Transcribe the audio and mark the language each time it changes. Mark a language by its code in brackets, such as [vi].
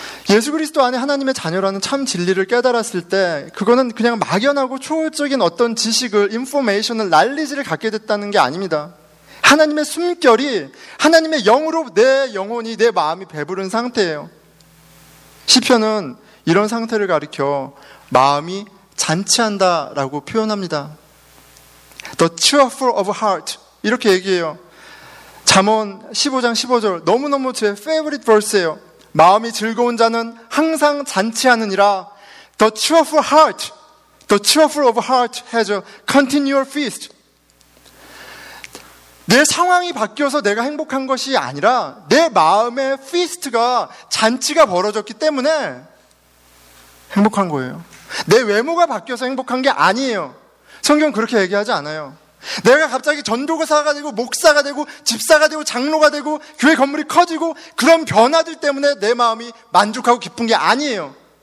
[ko] 예수 그리스도 안에 하나님의 자녀라는 참 진리를 깨달았을 때 그거는 그냥 막연하고 초월적인 어떤 지식을, 인포메이션을, 난리지를 갖게 됐다는 게 아닙니다. 하나님의 숨결이 하나님의 영으로 내 영혼이, 내 마음이 배부른 상태예요. 시편은 이런 상태를 가리켜 마음이 잔치한다라고 표현합니다. [en] The cheerful of heart [ko] 이렇게 얘기해요. 잠언 15장 15절 너무너무 제 [en] favorite verse [ko] 예요. 마음이 즐거운 자는 항상 잔치하느니라. [en] The cheerful heart, the cheerful of heart has a continual feast. [ko] 내 상황이 바뀌어서 내가 행복한 것이 아니라 내 마음의 피스트가, 잔치가 벌어졌기 때문에 행복한 거예요. 내 외모가 바뀌어서 행복한 게 아니에요. 성경은 그렇게 얘기하지 않아요. 내가 갑자기 전도교사가 되고 목사가 되고 집사가 되고 장로가 되고 교회 건물이 커지고 그런 변화들 때문에 내 마음이 만족하고 기쁜 게 아니에요.